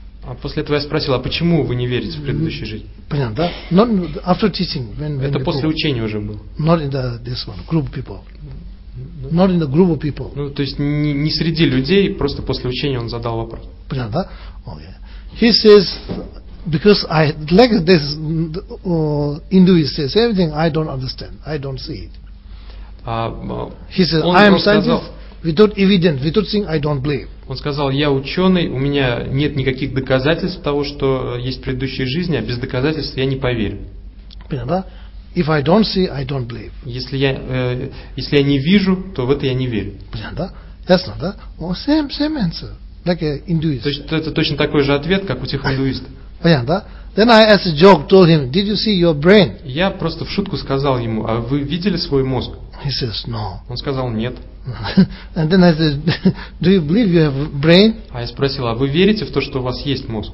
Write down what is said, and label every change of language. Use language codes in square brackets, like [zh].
[ru] А после этого я спросил, а почему вы не верите в предыдущую жизнь? Понятно, да? [en] Not after teaching, when [ru] это после учения уже было. [en] Not in this one, group of people. Not in the group of people. [ru] Ну, то есть не среди людей, просто после учения он задал вопрос. Понятно, да? [en] Okay. He says, because I like this Hinduist says everything I don't understand, I don't see it. He says, I am scientist. Without evidence, without thing, I don't believe. [ru] Он сказал, я ученый, у меня нет никаких доказательств того, что есть предыдущие жизни, а без доказательств я не поверю. Понятно? [en] If I don't see, I don't believe. [ru] Если я не вижу, то в это я не верю. Понятно? Ясно, да? [en] Well, same answer, like a Hinduist. [ru] То есть это точно такой же ответ, как у тех индуистов. Понятно, да? [en] Then I as a joke told him, did you see your brain? [ru] Я просто в шутку сказал ему, а вы видели свой мозг? [en] He says, no. [ru] Он сказал, нет. [en] And then I said, do you believe you have a brain? [ru] А я спросил, а вы верите в то, что у вас есть мозг?